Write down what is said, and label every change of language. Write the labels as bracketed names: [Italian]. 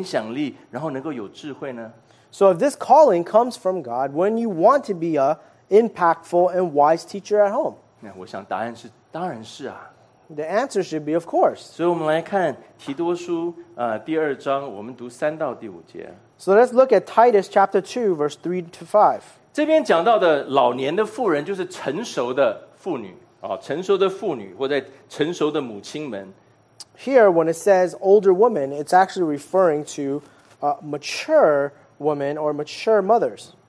[Chinese] 那既然你有从神那边来的这种呼召，那是不是你愿意在做教导、做老师的这个身份上面，你盼望你能够真正的在家中能够有影响力，然后能够有智慧呢？ [English] So if this calling comes from God, when you want to be an impactful and wise teacher at home? [Chinese] 我想答案是当然是啊。 [English] The answer should be of course. [Chinese] 所以我们来看提多书第二章，我们读3到第5节。 [English] So let's look at Titus chapter 2, verse 3 to 5. [Chinese] 这边讲到的老年的妇人就是成熟的妇女，成熟的妇女或者成熟的母亲们。 [English] Here, when it says older woman, it's actually referring to mature women or mature mothers.